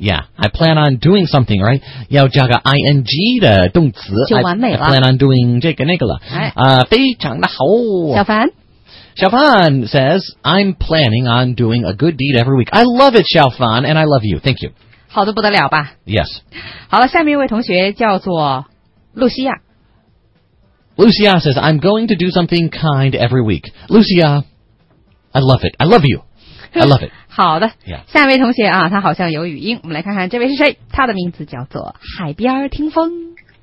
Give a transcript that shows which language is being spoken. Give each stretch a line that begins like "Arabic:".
English: Yeah. I plan on doing something, right?
Chinese: 要加个 ing 的动词。就完美了。
English: I plan on doing
Chinese: 这个那个了。哎。非常的好。小凡。
English: 小凡 says, I'm planning on doing a good deed every week. I love it, 小凡, and I love you. Thank you.
Chinese: 好得不得了吧。
English: Yes.
Chinese: 好了，下面一位同学叫做露西亚。
English: Lucia says, I'm going to do something kind every week. Lucia, I love it. I love you. I love it.
Chinese: 好的。
English: Yeah.
Chinese: 下一位同学啊，他好像有语音。我们来看看这位是谁。他的名字叫做海边听风。